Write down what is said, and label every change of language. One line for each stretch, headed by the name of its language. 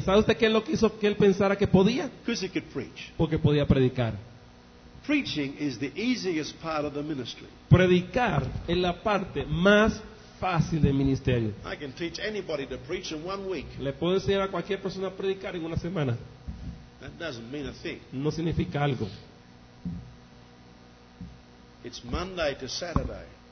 Spanish: ¿Sabe usted qué es lo que hizo que él pensara que podía? Porque podía predicar.
English: Preaching is the easiest part of the ministry.
Spanish: Predicar es la parte más fácil del ministerio.
English: I can teach anybody to preach in 1 week.
Spanish: Le puedo enseñar a cualquier persona a predicar en una semana.
English: That doesn't mean a thing.
Spanish: No significa algo.
English: It's Monday to Saturday.